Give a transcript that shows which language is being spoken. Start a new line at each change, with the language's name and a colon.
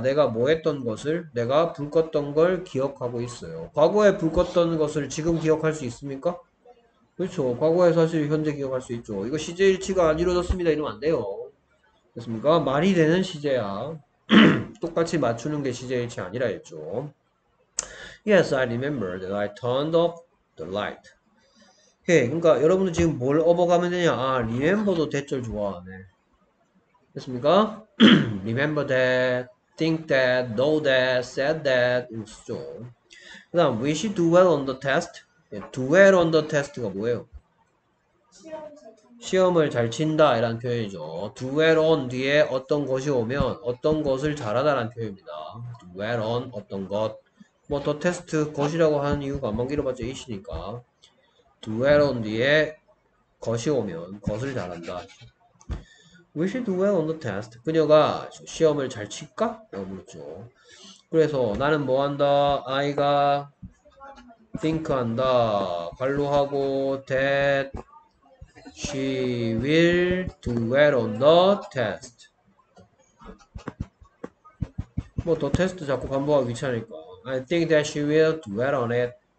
Korean: 내가 뭐 했던 것을, 내가 불 껐던 걸 기억하고 있어요. 과거에 불 껐던 것을 지금 기억할 수 있습니까? 그렇죠. 과거에 사실 현재 기억할 수 있죠. 이거 시제 일치가 안 이루어졌습니다. 이러면 안 돼요. 됐습니까? 말이 되는 시제야. 똑같이 맞추는 게 시제 일치 아니라 했죠.
English: Yes, I remember that I turned off the light.
Korean: 오케이. 그러니까 여러분들 지금 뭘 업어가면 되냐? 아, remember도 대절 좋아하네. 됐습니까?
English: Remember that think that, know that, said that, and so.
Korean: 그다음
English: we should do well on the test.
Korean: Dwell on the test가 뭐예요? 시험을 잘 친다 이란 표현이죠. Dwell on 뒤에 어떤 것이 오면 어떤 것을 잘하다란 표현입니다. Dwell on 어떤 것. 뭐더 테스트 것이라고 하는 이유가 안만 길어봤자 이시니까. Dwell on 뒤에 것이 오면 것을 잘한다.
English: We should do well on the test.
Korean: 그녀가 시험을 잘 칠까? 라고 물었죠. 그래서 나는 뭐 한다? 아이가 think 한다. 관로하고
English: that she will do well on the test.
Korean: 뭐더 테스트 자꾸 반복하기 귀찮으니까.
English: I think that she will do well on it.